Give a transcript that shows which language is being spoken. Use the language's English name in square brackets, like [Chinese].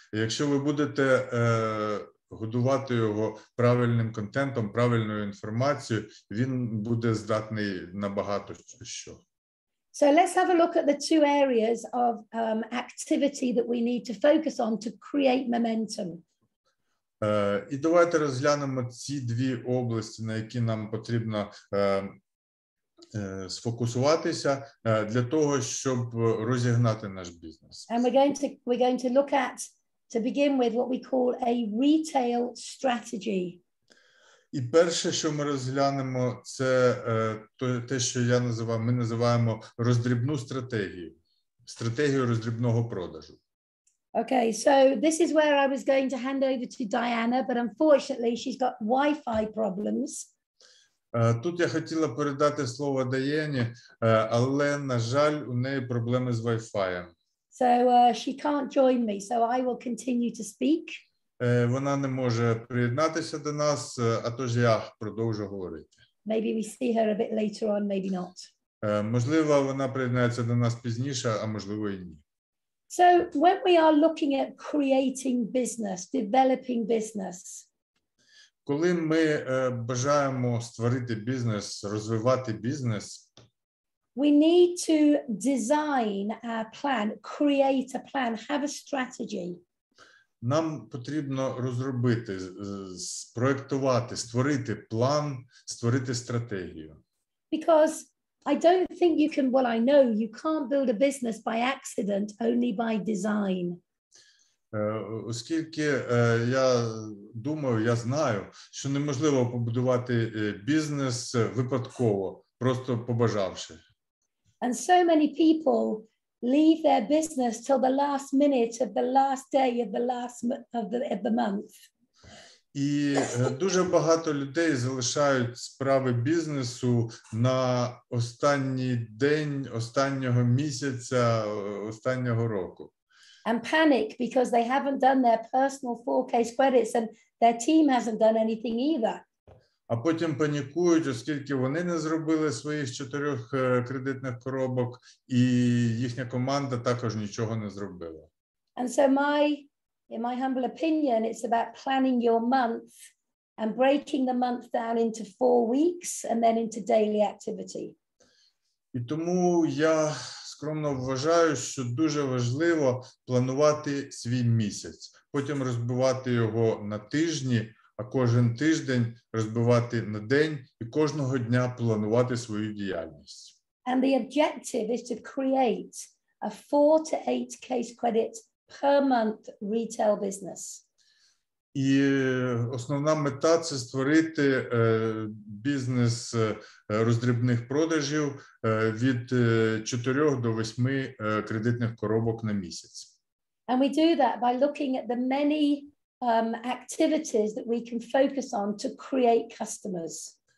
[Ukrainian] Якщо ви будете годувати його правильним контентом, правильною інформацією, він буде здатний на багато що. [English] So let's have a look at the two areas of activity that we need to focus on to create momentum. [Ukrainian] І давайте розглянемо ці дві області, на які нам потрібно сфокусуватися для того, щоб розігнати наш бізнес. [English] And we're going to look at, to begin with, what we call a retail strategy. [Ukrainian] І перше, що ми розглянемо, це те, що я називаю, ми називаємо роздрібну стратегію, стратегію роздрібного продажу. [English] Okay, so this is where I was going to hand over to Diana, but unfortunately she's got Wi-Fi problems. [Ukrainian] Тут я хотіла передати слово Даяні, але, на жаль, у неї проблеми з Wi-Fi. [English] So she can't join me, so I will continue to speak. [Ukrainian] Вона не може приєднатися до нас, а тож я продовжу говорити. [English] Maybe we see her a bit later on, maybe not. [Ukrainian] Можливо, вона приєднається до нас пізніше, а можливо і ні. [English] So when we are looking at creating business, developing business. [Ukrainian] Коли ми бажаємо створити бізнес, розвивати бізнес. [English] We need to design a plan, create a plan, have a strategy. [Ukrainian] Нам потрібно розробити, спроектувати, створити план, створити стратегію. [English] Because I don't think you can, well, I know you can't build a business by accident, only by design. [Ukrainian] Оскільки я думаю, я знаю, що неможливо побудувати бізнес випадково, просто побажавши. [English] And so many people leave their business till the last minute of the last day of the last of the month. [Ukrainian] І дуже багато людей залишають справи бізнесу на останній день останнього місяця останнього року. [English] And panic because they haven't done their personal 4K credits and their team hasn't done anything either. [Ukrainian] А потім панікують, оскільки вони не зробили своїх 4 кредитних коробок, і їхня команда також нічого не зробила. [English] And so in my humble opinion, it's about planning your month and breaking the month down into 4 weeks and then into daily activity. [Ukrainian] І тому я скромно вважаю, що дуже важливо планувати свій місяць, потім розбивати його на тижні, а кожен тиждень розбивати на день і кожного дня планувати свою діяльність. [English] And the objective is to create a 4 to 8 case credit per month retail business. [Ukrainian] І основна мета – це створити бізнес роздрібних продажів від 4 до 8 кредитних коробок на місяць. [English] And we do that by looking at the many activities that we can focus on to create customers.